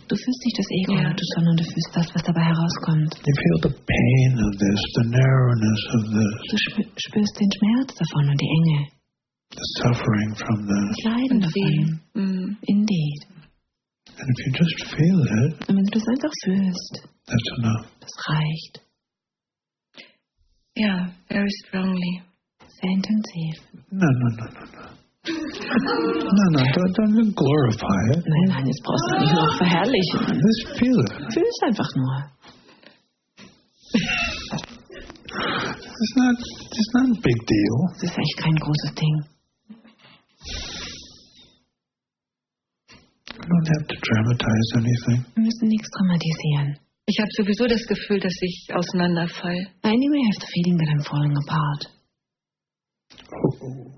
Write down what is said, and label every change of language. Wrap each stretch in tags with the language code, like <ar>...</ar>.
<de>Du fühlst nicht das Ego, sondern du fühlst das, was dabei herauskommt.</de> <en>You feel the pain of this, the narrowness of this.</en> <de>Du spürst den Schmerz davon und die Enge.</de> <en>The suffering from this.</en> <de>Das Leiden davon. Indeed.</de> <en>And if you just feel it,</en> <de>und wenn du das einfach fühlst,</de> <en>that's enough.</en> <de>Das reicht.</de> <en>Ja, very strongly.</en> <de>Sehr intensiv.</de> <en>Don't glorify it.</en> <de>Nein, jetzt brauchst du nicht noch verherrlichen.</de> <en>Just feel it.</en> <de>Fühl es einfach nur.</de> <en>It's not a big deal.</en> <de>Es ist echt kein großes Ding.</de> <en>We don't have to dramatize anything.</en> <de>Wir müssen nichts dramatisieren. Ich habe sowieso das Gefühl, dass ich auseinanderfalle.</de> <en>Anyway, I have the feeling that I'm falling apart.</en>